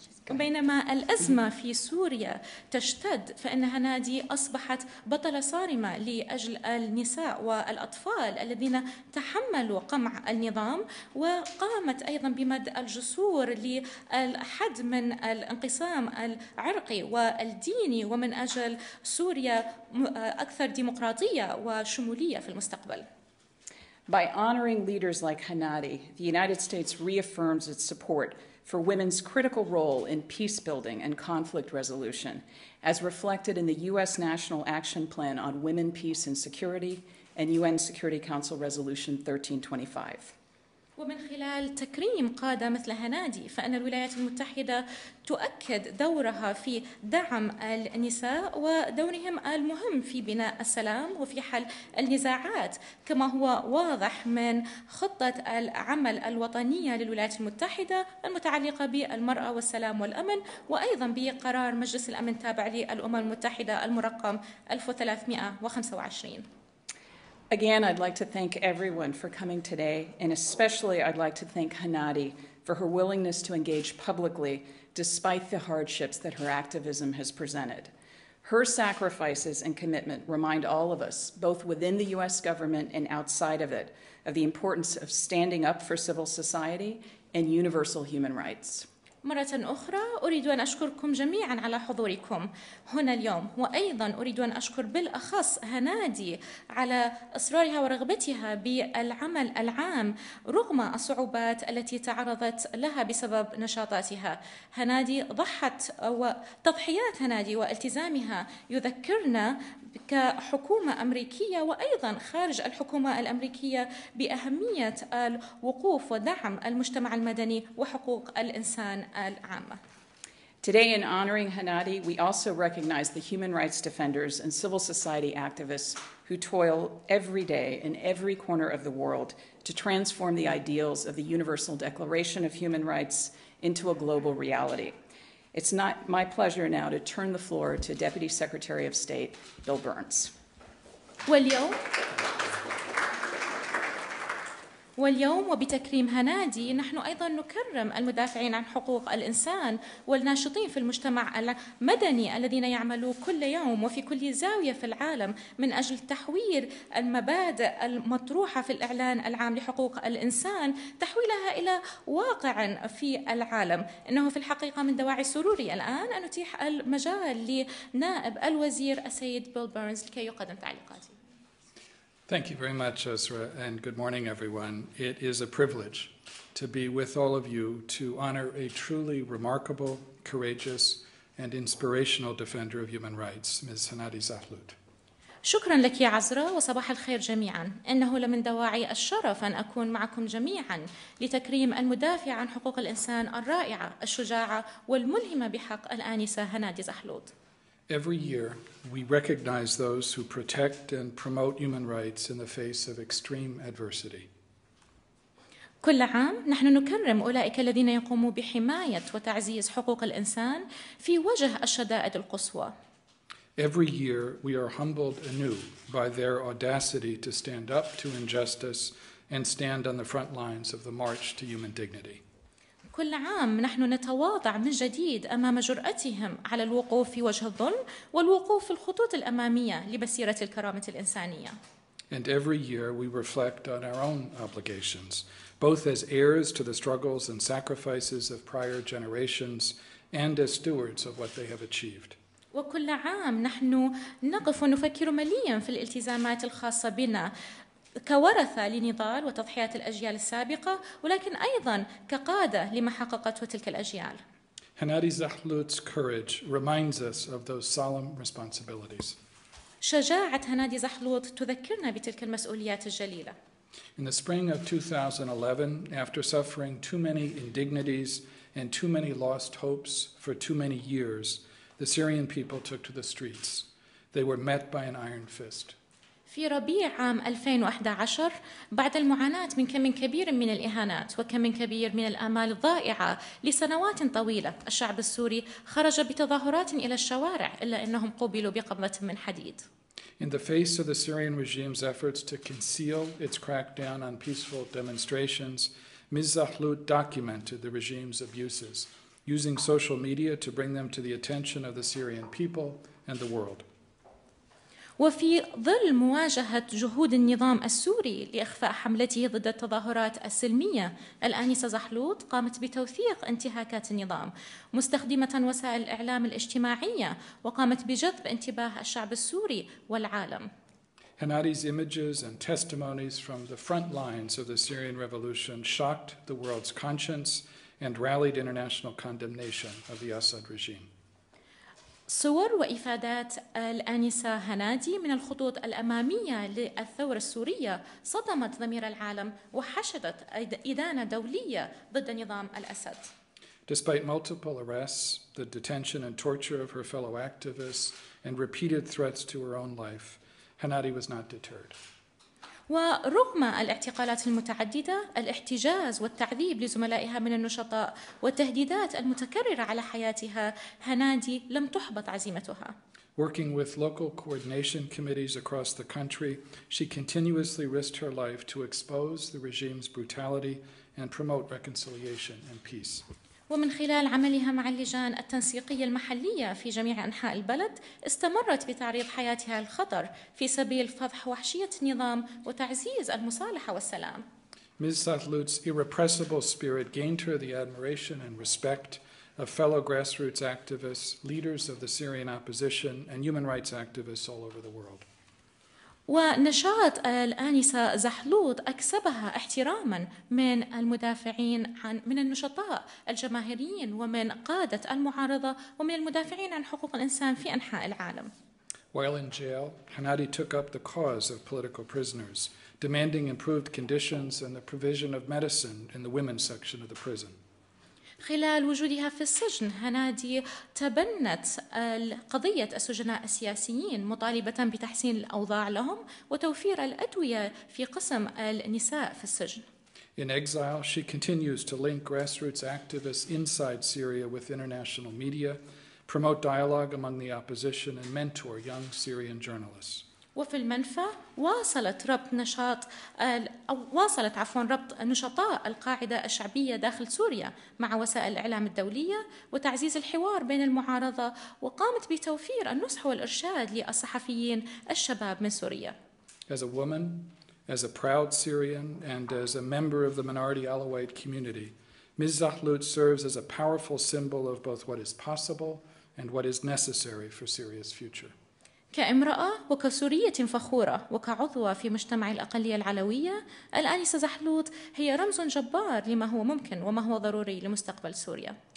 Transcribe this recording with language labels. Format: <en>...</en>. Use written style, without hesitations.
<ar>بينما الأزمة في سوريا تشتد فإن هنادي أصبحت بطلة صارمة لأجل النساء والأطفال الذين تحملوا قمع النظام وقامت أيضا بمد الجسور للحد من الانقسام العرقي والديني ومن أجل سوريا أكثر ديمقراطية وشمولية في المستقبل.</ar> <en>By honoring leaders like Hanadi, the United States reaffirms its support for women's critical role in peace building and conflict resolution, as reflected in the U.S. National Action Plan on Women, Peace and Security and UN Security Council Resolution 1325.</en> <ar>ومن خلال تكريم قادة مثل هنادي فإن الولايات المتحدة تؤكد دورها في دعم النساء ودورهم المهم في بناء السلام وفي حل النزاعات كما هو واضح من خطة العمل الوطنية للولايات المتحدة المتعلقة بالمرأة والسلام والأمن وأيضا بقرار مجلس الأمن التابع للأمم المتحدة المرقم 1325.</ar> <en>Again, I'd like to thank everyone for coming today, and especially I'd like to thank Hanadi for her willingness to engage publicly despite the hardships that her activism has presented. Her sacrifices and commitment remind all of us, both within the U.S. government and outside of it, of the importance of standing up for civil society and universal human rights.</en> <ar>مرة أخرى أريد أن أشكركم جميعا على حضوركم هنا اليوم وأيضا أريد أن أشكر بالأخص هنادي على إصرارها ورغبتها بالعمل العام رغم الصعوبات التي تعرضت لها بسبب نشاطاتها هنادي ضحت وتضحيات هنادي والتزامها يذكرنا كحكومة أمريكية وأيضا خارج الحكومة الأمريكية بأهمية الوقوف ودعم المجتمع المدني وحقوق الإنسان العامة.</ar> <en>Today in honoring Hanadi, we also recognize the human rights defenders and civil society activists who toil every day in every corner of the world to transform the ideals of the Universal Declaration of Human Rights into a global reality. It's not my pleasure now to turn the floor to Deputy Secretary of State Bill Burns.</en> <ar>واليوم واليوم وبتكريم هنادي نحن أيضا نكرم المدافعين عن حقوق الإنسان والناشطين في المجتمع المدني الذين يعملوا كل يوم وفي كل زاوية في العالم من أجل تحوير المبادئ المطروحة في الإعلان العام لحقوق الإنسان تحويلها إلى واقع في العالم. إنه في الحقيقة من دواعي سروري الآن أن أتيح المجال لنائب الوزير السيد بيل بيرنز لكي يقدم تعليقاته.</ar> <en>Thank you very much, Ezra, and good morning, everyone. It is a privilege to be with all of you to honor a truly remarkable, courageous, and inspirational defender of human rights, Ms. Hanadi Zahloud.</en> <ar>شكرا لك يا عزرا وصباح الخير جميعا. إنه لمن دواعي الشرف أن أكون معكم جميعا لتكريم المدافع عن حقوق الإنسان الرائعة الشجاعة والملهمة بحق الآنسة هنادي زحلوط.</ar> <en>Every year, we recognize those who protect and promote human rights in the face of extreme adversity.</en> <ar>كل عام نحن نكرم أولئك الذين يقوموا بحماية وتعزيز حقوق الإنسان في وجه الشدائد القصوى.</ar> <en>Every year, we are humbled anew by their audacity to stand up to injustice and stand on the front lines of the march to human dignity.</en> <ar>كل عام نحن نتواضع من جديد أمام جرأتهم على الوقوف في وجه الظلم والوقوف في الخطوط الأمامية لبسيرة الكرامة الإنسانية.</ar> <en>And every year we reflect on our own obligations, both as heirs to the struggles and sacrifices of prior generations and as stewards of what they have achieved.</en> <ar>وكل عام نحن نقف ونفكر مليا في الالتزامات الخاصة بنا كورثة لنضال وتضحيات الأجيال السابقة ولكن أيضا كقادة لما حققته تلك الأجيال.</ar> <en>Hanadi Zahloud's courage reminds us of those solemn responsibilities.</en> <ar>شجاعة هنادي زحلوط تذكرنا بتلك المسؤوليات الجليلة.</ar> <en>In the spring of 2011, after suffering too many indignities and too many lost hopes for too many years, the Syrian people took to the streets. They were met by an iron fist.</en> <ar>في ربيع عام 2011 بعد المعاناة من كم كبير من الإهانات وكم كبير من الآمال الضائعة لسنوات طويلة الشعب السوري خرج بتظاهرات إلى الشوارع إلا أنهم قوبلوا بقبضة من حديد.</ar> <en>In the face of the Syrian regime's efforts to conceal its crackdown on peaceful demonstrations, Ms. Zahloud documented the regime's abuses, using social media to bring them to the attention of the Syrian people and the world.</en> <ar>وفي ظل مواجهة جهود النظام السوري لإخفاء حملته ضد التظاهرات السلمية الآنسة زحلوط قامت بتوثيق انتهاكات النظام مستخدمة وسائل الإعلام الاجتماعية وقامت بجذب انتباه الشعب السوري والعالم.</ar> <en>Hanadi's images and testimonies from the front lines of the Syrian revolution shocked the world's conscience and rallied international condemnation of the Assad regime.</en> <ar>صور وإفادات الآنسة هنادي من الخطوط الأمامية للثورة السورية صدمت ضمير العالم وحشدت إدانة دولية ضد نظام الأسد.</ar> <en>Despite multiple arrests, the detention and torture of her fellow activists, and repeated threats to her own life, Hanadi was not deterred.</en> <ar>ورغم الاعتقالات المتعددة، الاحتجاز والتعذيب لزملائها من النشطاء والتهديدات المتكررة على حياتها، هنادي لم تحبط عزيمتها.</ar> <en>Working with local coordination committees across the country, she continuously risked her life to expose the regime's brutality and promote reconciliation and peace.</en> <ar>ومن خلال عملها مع اللجان التنسيقية المحلية في جميع أنحاء البلد استمرت بتعريض حياتها للخطر في سبيل فضح وحشية النظام وتعزيز المصالحة والسلام.</ar> <en>Ms. Zahloud's irrepressible spirit gained her the admiration and respect of fellow grassroots activists, leaders of the Syrian opposition, and human rights activists all over the world.</en> <ar>ونشاط الآنسة زحلوط أكسبها احتراماً من المدافعين عن من النشطاء الجماهيريين ومن قادة المعارضة ومن المدافعين عن حقوق الإنسان في أنحاء العالم.</ar> <en>While in jail, Hanadi took up the cause of political prisoners, demanding improved conditions and the provision of medicine in the women's section of the prison.</en> <ar>خلال وجودها في السجن هنادي تبنت قضية السجناء السياسيين مطالبة بتحسين الأوضاع لهم وتوفير الأدوية في قسم النساء في السجن.</ar> <en>In exile, she continues to link grassroots activists inside Syria with international media, promote dialogue among the opposition, and mentor young Syrian journalists.</en> <ar>وفي المنفى واصلت ربط نشاط أو واصلت عفوا ربط نشطاء القاعدة الشعبية داخل سوريا مع وسائل الإعلام الدولية وتعزيز الحوار بين المعارضة، وقامت بتوفير النصح والإرشاد للصحفيين الشباب من سوريا.</ar> <en>As a woman, as a proud Syrian, and as a member of the minority Alawite community, Ms. Zahlout serves as a powerful symbol of both what is possible and what is necessary for Syria's future.</en> <ar>كامرأة وكسورية فخورة وكعضوة في مجتمع الأقلية العلوية، الآنسة زحلوت هي رمز جبار لما هو ممكن وما هو ضروري لمستقبل سوريا.</ar>